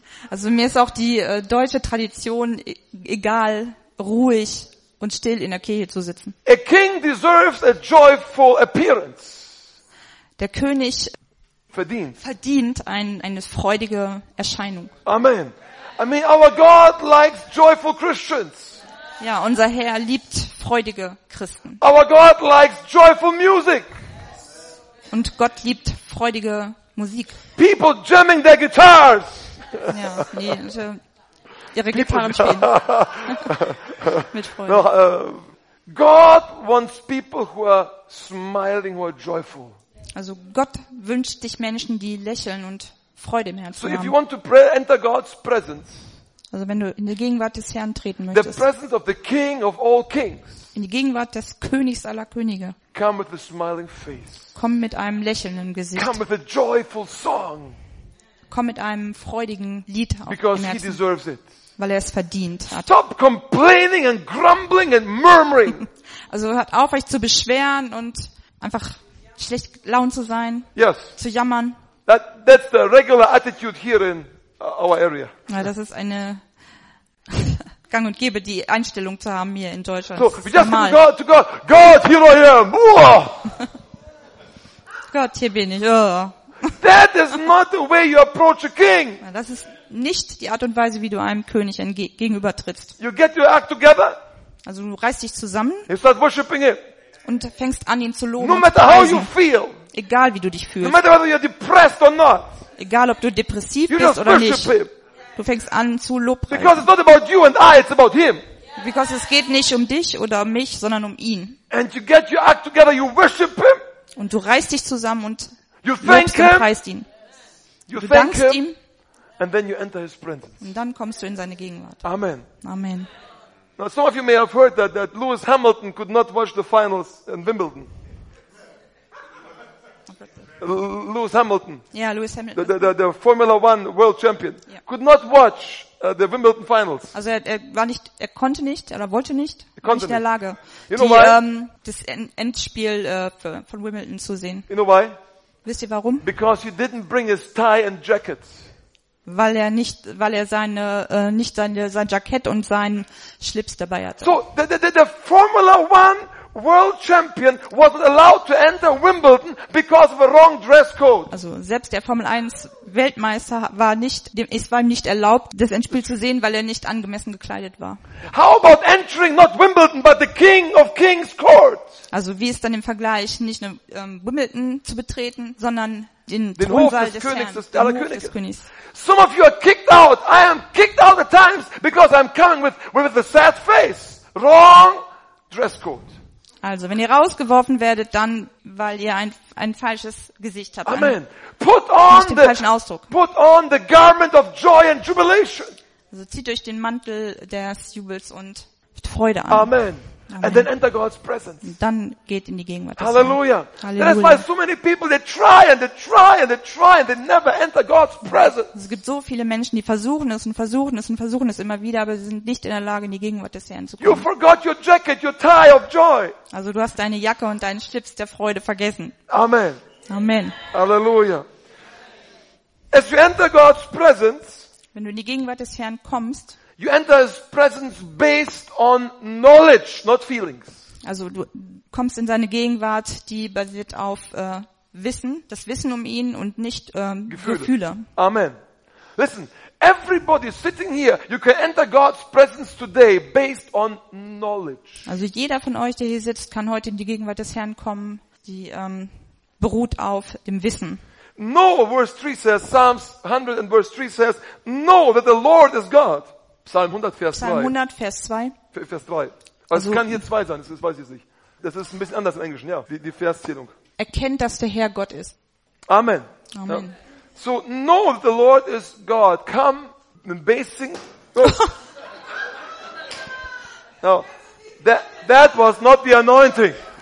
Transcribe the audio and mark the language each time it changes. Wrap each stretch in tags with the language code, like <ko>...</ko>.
<de>Also mir ist auch die deutsche Tradition egal, ruhig und still in der Kirche zu sitzen.</de> <en>A king deserves a joyful appearance.</en> <de>Der König verdient eine freudige Erscheinung. Amen.</de> <en>I mean, our God likes joyful Christians.</en> <de>Ja, unser Herr liebt freudige Christen.</de> <en>Our God likes joyful music.</en> <de>Und Gott liebt freudige Musik.</de> <en>People jamming their guitars.</en> <de>Ja, nee, also ihre Gitarren spielen. Mit Freude.</de> <en>No, God wants people who are smiling, who are joyful.</en> <de>Also Gott wünscht dich Menschen, die lächeln und Freude im Herzen haben.</de> <en>So if you want to enter God's presence.</en> <de>Also wenn du in die Gegenwart des Herrn treten möchtest.</de> <en>The presence of the King of all Kings.</en> <de>In die Gegenwart des Königs aller Könige.</de> <en>Come with a smiling face.</en> <de>Komm mit einem lächelnden Gesicht.</de> <en>Come with a joyful song.</en> <de>Komm mit einem freudigen Lied auf</de> <en>Because</en> <de>im Herzen,</de> <en>he deserves it.</en> <de>Weil er es verdient hat.</de> <en>Stop complaining and grumbling and murmuring.</en> <de>Also hört auf, euch zu beschweren und einfach schlecht gelaunt zu sein,</de> <en>yes.</en> <de>Zu jammern.</de> <en>That's the regular attitude here in our area.</en> <de>Ja, das ist eine gang und gäbe, die Einstellung zu haben hier in Deutschland.</de> <en>So, we just say to God, God, here I am.</en> <de>Gott, hier bin ich.</de> <en>That is not the way you approach a king.</en> <de>Das ist nicht die Art und Weise, wie du einem König gegenübertrittst.</de> <en>You get your act together.</en> <de>Also du reißt dich zusammen.</de> <en>You start worshiping him.</en> <de>Und fängst an, ihn zu loben.</de> <en>No matter how you feel.</en> <de>Egal wie du dich fühlst.</de> <en>No matter whether you're depressed or not.</en> <de>Egal ob du depressiv bist oder nicht.</de> <en>Him.</en> <de>Du fängst an zu lobpreisen.</de> <en>Because it's not about you and I, it's about him. Because</en> <de>es geht nicht um dich oder um mich, sondern um ihn.</de> <en>And you get your act together, you worship him.</en> <de>Und du reißt dich zusammen und lobst und preist ihn.</de> <en>You</en> <de>du dankst</de> <en>him,</en> <de>ihm.</de> <en>And then you enter his presence.</en> <de>Und dann kommst du in seine Gegenwart. Amen. Amen.</de> <en>Now some of you may have heard that Lewis Hamilton could not watch the finals in Wimbledon. Lewis Hamilton. Yeah, Lewis Hamilton. The Formula One World Champion. Yeah. Could not watch the Wimbledon finals.</en> <de>Also er konnte nicht oder wollte nicht.</de> <en>He</en> <de>konnte nicht in der Lage, das Endspiel von Wimbledon zu sehen.</de> <en>You know why?</en> <de>Wisst ihr warum?</de> <en>Because he didn't bring his tie and jacket.</en> <de>Weil er sein Jackett und seinen Schlips dabei hatte.</de> <en>So the Formula One World Champion was allowed to enter Wimbledon because of a wrong dress code.</en> <de>Also selbst der Formel 1 Weltmeister war nicht, dem ist ihm nicht erlaubt, das Endspiel zu sehen, weil er nicht angemessen gekleidet war.</de> <en>How about entering not Wimbledon but the King of Kings Court?</en> <de>Also wie ist dann im Vergleich nicht nur Wimbledon zu betreten, sondern den Thronsaal des Königs.</de> <en>Some of you are kicked out. I am kicked out at times because I'm coming with a sad face. Wrong dress code.</en> <de>Also, wenn ihr rausgeworfen werdet, dann weil ihr ein falsches Gesicht habt. Amen. Falschen Ausdruck.</de> <en>Put on the garment of joy and jubilation.</en> <de>Also zieht euch den Mantel des Jubels und Freude an.</de> <en>Amen. And then enter God's presence.</en> <de>Und dann geht in die Gegenwart.</de> <en>Hallelujah.</en> <de>Halleluja.</de> <en>That is why so many people they try and they never enter God's presence.</en> <de>Es gibt so viele Menschen, die versuchen es und versuchen es und versuchen es immer wieder, aber sie sind nicht in der Lage, in die Gegenwart des Herrn zu kommen.</de> <en>You forgot your jacket, your tie of joy.</en> <de>Also du hast deine Jacke und deinen Schlips der Freude vergessen. Amen. Amen. Hallelujah.</de> <en>As you enter God's presence,</en> <de>wenn du in die Gegenwart des Herrn kommst,</de> <en>you enter his presence based on knowledge, not feelings.</en> <de>Also du kommst in seine Gegenwart, die basiert auf Wissen, das Wissen um ihn und nicht Gefühle. Amen.</de> <en>Listen, everybody sitting here, you can enter God's presence today based on knowledge.</en> <de>Also jeder von euch, der hier sitzt, kann heute in die Gegenwart des Herrn kommen, die beruht auf dem Wissen.</de> <en>Psalms 100 and verse 3 says, know that the Lord is God.</en> <de>Psalm 100, Vers 2. Also, es kann hier 2 sein, das weiß ich nicht. Das ist ein bisschen anders im Englischen, ja, die Verszählung. Erkennt, dass der Herr Gott ist. Amen. Amen. Ja.</de> <en>So, know that the Lord is God. Come, and basing. No, that was not the anointing.</en>